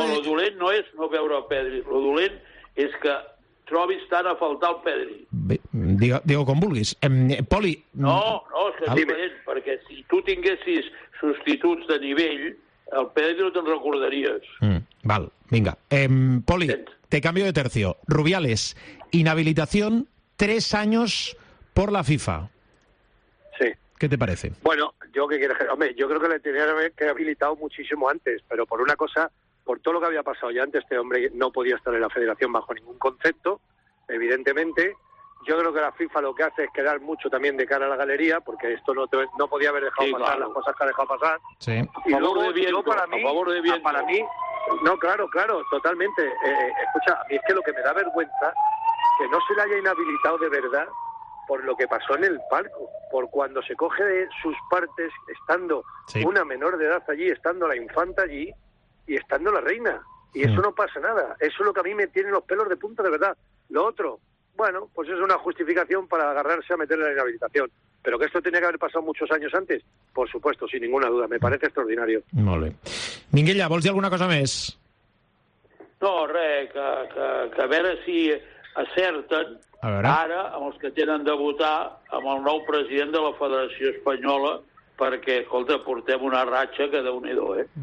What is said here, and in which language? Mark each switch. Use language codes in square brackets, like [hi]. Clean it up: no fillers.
[ca] No, lo dolent no és no veure Pedri. Lo dolent és que trobis tant a faltar el Pedri. Bé, digue-ho com vulguis. Poli... No, és que diferent, perquè si tu tinguessis substituts de nivell, el Pedri no te'n recordaries. Val, vinga. Poli, te canvio de tercio. [es] Rubiales, inhabilitación, 3 años por la FIFA. Sí. ¿Qué te parece? Bueno, yo qué quieres decir. Hombre, yo creo que le tenía que haber habilitado muchísimo antes, pero por una cosa, por todo lo que había pasado ya antes, este hombre no podía estar en la federación bajo ningún concepto, evidentemente. Yo creo que la FIFA lo que hace es quedar mucho también de cara a la galería, porque esto no podía haber dejado pasar las cosas que ha dejado pasar. Sí. Y luego, para mí, no, claro, totalmente. Escucha, a mí es que lo que me da vergüenza que no se le haya inhabilitado de verdad por lo que pasó en el palco, por cuando se coge de sus partes, estando una menor de edad allí, estando la infanta allí y estando la reina. Y eso no pasa nada. Eso es lo que a mí me tiene los pelos de punta, de verdad. Lo otro, bueno, pues es una justificación para agarrarse a meterle la inhabilitación. Pero que esto tenía que haber pasado muchos años antes, por supuesto, sin ninguna duda. Me parece extraordinario. [ca] Molt bé. Minguella, vols dir alguna cosa més? No, res, que a veure si acerten ara amb els que tenen de votar amb el nou president de la Federació Espanyola, perquè, escolta, portem una ratxa que déu-n'hi-do, eh?